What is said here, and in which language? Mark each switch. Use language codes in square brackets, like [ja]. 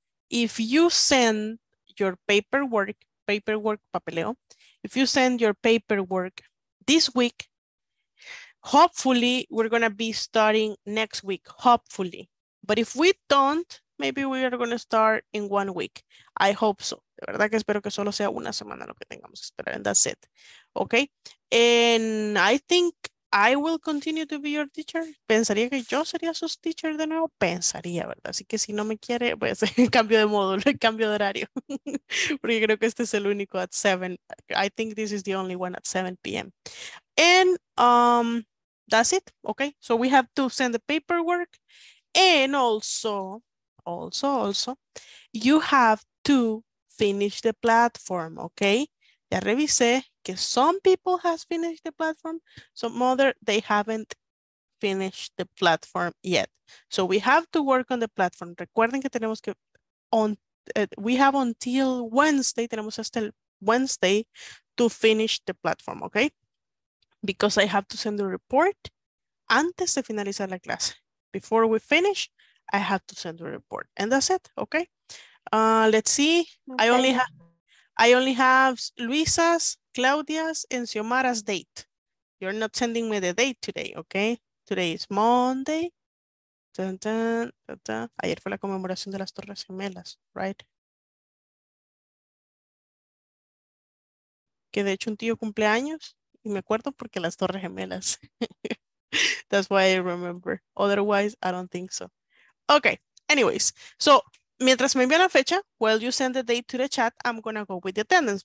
[en] If you send your paperwork this week, hopefully we're gonna be starting next week, hopefully. But if we don't, maybe we are going to start in 1 week. I hope so. [es] De verdad que espero que solo sea una semana lo que tengamos que esperar. [en] And that's it. Okay. And I think I will continue to be your teacher. [es] Pensaría que yo sería su teacher de nuevo. Pensaría, ¿verdad? Así que si no me quiere, pues cambio de módulo, cambio de horario. Porque creo que este es el único [en] at 7. I think this is the only one at 7 p.m. And that's it. Okay. So we have to send the paperwork. And also, you have to finish the platform, okay? [es] Ya revisé que [en] some people has finished the platform, some other, they haven't finished the platform yet. So we have to work on the platform. [es] Recuerden que tenemos que, [en] we have until Wednesday, [es] tenemos hasta el [en] Wednesday to finish the platform, okay? Because I have to send the report [es] antes de finalizar la clase. [en] Before we finish, I have to send a report. And that's it, okay? Let's see. Okay. I only have Luisa's, Claudia's, and Xiomara's date. You're not sending me the date today, okay? Today is Monday. Dun, dun, dun, dun. [es] Ayer fue la conmemoración de las Torres Gemelas, right? Que de hecho un tío cumple años, y me acuerdo porque las Torres Gemelas. [en] That's why I remember. Otherwise, I don't think so. Okay, anyways, so [es] mientras me envían la fecha, [en] while you send the date to the chat, I'm gonna go with the attendance.